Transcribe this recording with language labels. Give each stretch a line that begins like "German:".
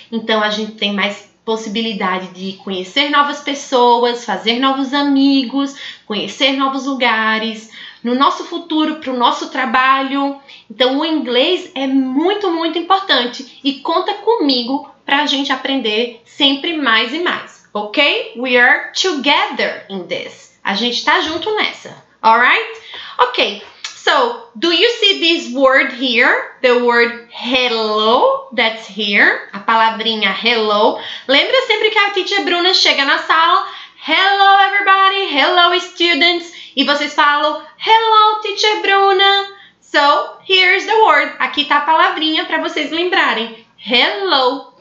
Portuguese: Então, a gente tem mais possibilidade de conhecer novas pessoas, fazer novos amigos, conhecer novos lugares, no nosso futuro, para o nosso trabalho. Então, o inglês é muito, muito importante e conta comigo para a gente aprender sempre mais e mais, ok?
English: We are together in this.
Portuguese: A gente está junto nessa,
English: alright? Ok, so, do you see this word here? The word hello, that's here.
Portuguese: A palavrinha
English: hello.
Portuguese: Lembra sempre que a teacher Bruna chega na sala.
English: Hello, everybody. Hello, students.
Portuguese: E vocês falam,
English: hello, teacher Bruna. So, here's the word.
Portuguese: Aqui está a palavrinha para vocês lembrarem.
English: Hello.